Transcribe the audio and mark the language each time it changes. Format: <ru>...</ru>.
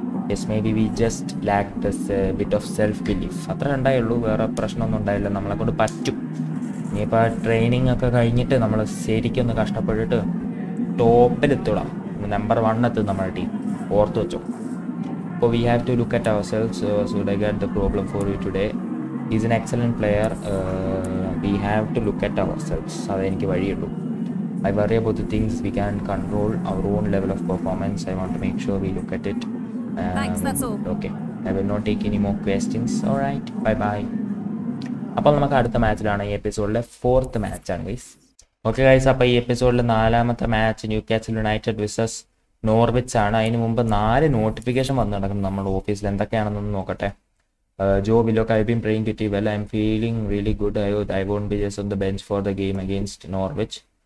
<en>Yes, maybe we just lacked a bit of self belief.</en> <ml>അത്ര ഉണ്ടായുള്ളൂ, വേറെ പ്രശ്നമൊന്നും ഉണ്ടായില്ല. നമ്മളെ കൊണ്ട് പറ്റും. ഇനിയിപ്പോ ട്രെയിനിങ് ഒക്കെ കഴിഞ്ഞിട്ട് നമ്മൾ ശരിക്കും ഒന്ന് കഷ്ടപ്പെട്ടിട്ട് ടോപ്പിലെത്തോളാം, നമ്പർ 1 എത്തും നമ്മുടെ ടീം, ഓർത്ത് വെച്ചോ. അപ്പോൾ</ml> <en>We have to look at ourselves. Should I get the problem for you today? He's an excellent player. We have to look at ourselves.</en> <ml>അത് എനിക്ക് വഴിയുള്ളൂ.</ml> <en>I worry about the things we can't control, our own level of performance. I want to make sure we look at it. Thanks, that's all. Okay. I will not take any more questions. All right. Bye-bye.</en> <ml>അപ്പോൾ നമുക്ക് അടുത്ത മാച്ചിലാണ്, ഈ എപ്പിസോഡിലെ 4th match ആണ് guys. Okay guys, അപ്പോൾ ഈ എപ്പിസോഡിലെ 4th match new castle United versus Norwich ആണ്. അതിന് മുമ്പ് 4 നോട്ടിഫിക്കേഷൻ വന്നു നടക്കുന്നു നമ്മുടെ ഓഫീസിൽ, എന്തൊക്കെയാണെന്നൊന്ന് നോക്കട്ടെ.</ml> <en>Joe Willock, I been praying to team well, I am feeling really good. I won't be just on the bench for the game against Norwich.</en>